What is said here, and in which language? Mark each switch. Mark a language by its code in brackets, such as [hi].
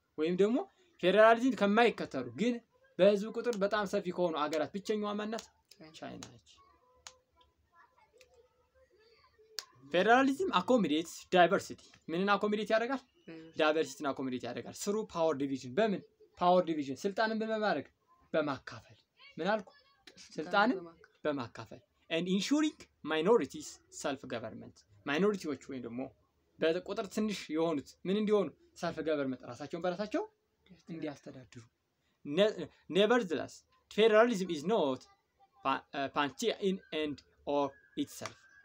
[am] ወይም ደግሞ federalism ከማይከተሉ ግን በህዝብ ቁጥር በጣም ሰፊ ከሆኑ አገራት ብቸኛዋ ማናት? [en] China. federalism accommodates diversity. [am] ምንን accommodate ያደርጋል? Diversity-ን accommodate ያደርጋል. [en] Through power division በምን power division [am] ስልጣንን በመማረክ በማካፈል ምን አልኩ ስልጣንን በማካፈል [en] and ensuring minorities self government minorityዎች [am] ወይ ደሞ በቁጥር ትንሽ የሆኑት ምን እንዲሆኑ [en] self government [am] ራሳቸውን በራሳቸው እንዲያስተዳድሩ [en] nevertheless federalism is not panacea in and of itself